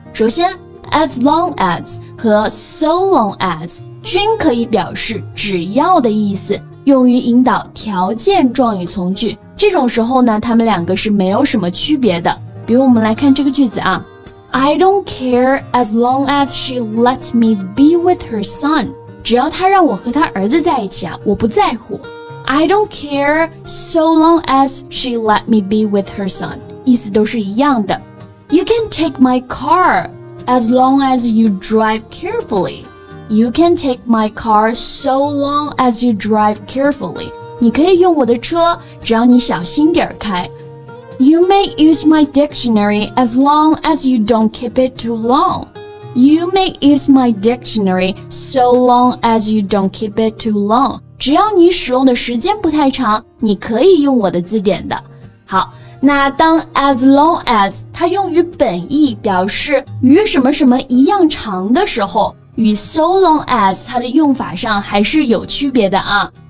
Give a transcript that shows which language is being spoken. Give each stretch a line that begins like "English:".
Chinese: 首先
English: as long as
Chinese: 和
English: so long as
Chinese: 均可以表示只要的意思，用于引导条件状语从句。这种时候呢，他们两个是没有什么区别的。比如我们来看这个句子啊，
English: I don't care as long as she lets me be with her son.
Chinese: 只要她让我和她儿子在一起啊，我不在乎。
English: I don't care so long as she let me be with her son.
Chinese: 意思都是一样的。
English: You can take my car as long as you drive carefully. You can take my car so long as you drive carefully.
Chinese: 你可以用我的车，只要你小心点开。
English: You may use my dictionary as long as you don't keep it too long. You may use my dictionary so long as you don't keep it too long.
Chinese: 只要你使用的时间不太长，你可以用我的字典的。好，那当
English: as long as
Chinese: 它用于本意表示与什么什么一样长的时候，与
English: so long as
Chinese: 它的用法上还是有区别的啊。